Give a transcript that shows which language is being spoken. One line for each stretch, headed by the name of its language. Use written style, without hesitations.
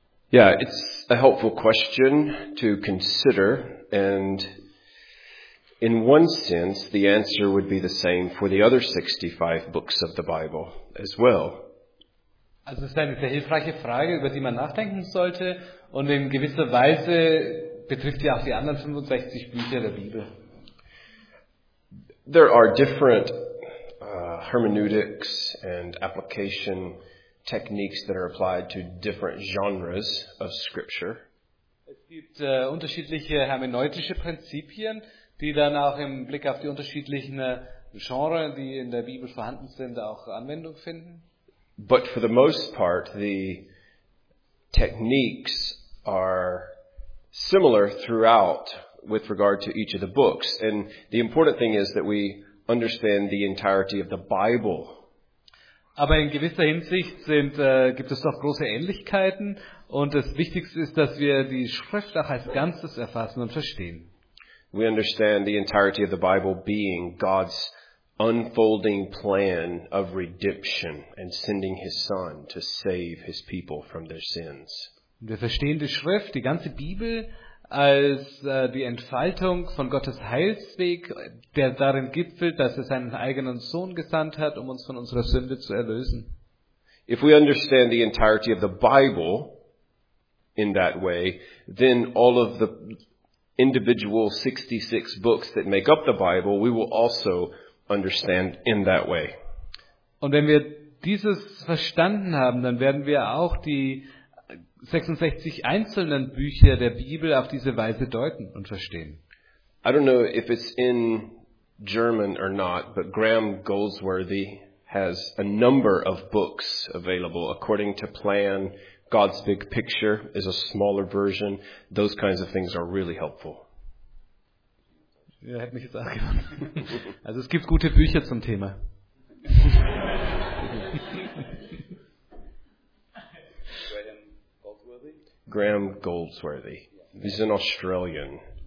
English: Yeah, it's a helpful question to consider, and in one sense, the answer would be the same for the other 65 books of the Bible as well.
German: Also es ist eine sehr hilfreiche Frage, über die man nachdenken sollte, und in gewisser Weise betrifft sie auch die anderen 65 Bücher der Bibel.
English: There are different hermeneutics and application techniques that are applied to different genres of scripture.
German: Es gibt unterschiedliche hermeneutische Prinzipien, die dann auch im Blick auf die unterschiedlichen Genres, die in der Bibel vorhanden sind, auch Anwendung finden.
English: But for the most part, the techniques are similar throughout with regard to each of the books. And the important thing is that we understand the entirety of the Bible.
German: Aber in gewisser Hinsicht gibt es doch große Ähnlichkeiten. Und das Wichtigste ist, dass wir die Schrift auch als Ganzes erfassen und verstehen.
English: We understand the entirety of the Bible being God's unfolding plan of redemption and sending his son to save his people from their sins.
German: Wir verstehen die Schrift, die ganze Bibel, als die Entfaltung von Gottes Heilsweg, der darin gipfelt, dass er seinen eigenen Sohn gesandt hat, um uns von unserer Sünde zu erlösen.
English: If we understand the entirety of the Bible in that way, then all of the individual 66 books that make up the Bible, we will also understand in that way.
German: Und wenn wir dieses verstanden haben, dann werden wir auch die 66 einzelnen Bücher der Bibel auf diese Weise deuten und verstehen.
English: I don't know if it's in German or not, but Graham Goldsworthy has a number of books available according to plan. God's Big Picture is a smaller version. Those kinds of things are really helpful.
German: Ja, hätte mich jetzt auch gewonnen. Also es gibt gute Bücher zum Thema.
English: Graham Goldsworthy. He's an Australian.